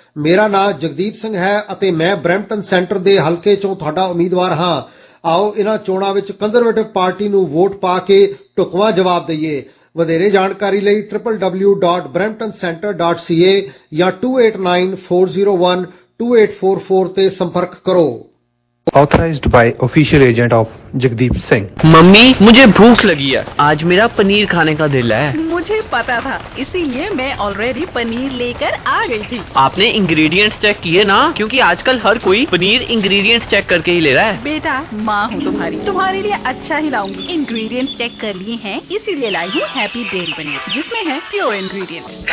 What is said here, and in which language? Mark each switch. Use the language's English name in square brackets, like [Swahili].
[Punjabi] ਮੇਰਾ ਨਾਂ ਜਗਦੀਪ ਸਿੰਘ ਹੈ ਅਤੇ ਮੈਂ ਬ੍ਰੈਂਪਟਨ ਸੈਂਟਰ ਦੇ ਹਲਕੇ ਚੋਂ ਤੁਹਾਡਾ ਉਮੀਦਵਾਰ ਹਾਂ। ਆਓ ਇਨ੍ਹਾਂ ਚੋਣਾਂ ਵਿੱਚ ਕੰਜ਼ਰਵੇਟਿਵ ਪਾਰਟੀ ਨੂੰ ਵੋਟ ਪਾ ਕੇ ਢੁਕਵਾਂ ਜਵਾਬ ਦੇਈਏ। ਵਧੇਰੇ ਜਾਣਕਾਰੀ ਲਈ www.brampton-center.ca ਜਾਂ 2894012844 ਤੇ ਸੰਪਰਕ ਕਰੋ। [English] Authorized by official agent of Jagdeep Singh. [Hindi] Mummy मुझे भूख लगी है, आज मेरा पनीर खाने का दिल है। मुझे पता था, इसीलिए मैं ऑलरेडी पनीर लेकर आ गई थी। आपने इंग्रेडिएंट्स चेक किए ना? क्योंकि आजकल हर कोई पनीर इंग्रेडिएंट्स चेक करके ही ले रहा है। बेटा माँ हूँ तुम्हारी, तुम्हारे लिए अच्छा ही लाऊंगी। इंग्रेडिएंट्स चेक कर लिए हैं, इसीलिए लाई हूँ हैप्पी डेयरी पनीर जिसमें है प्योर इंग्रेडिएंट्स।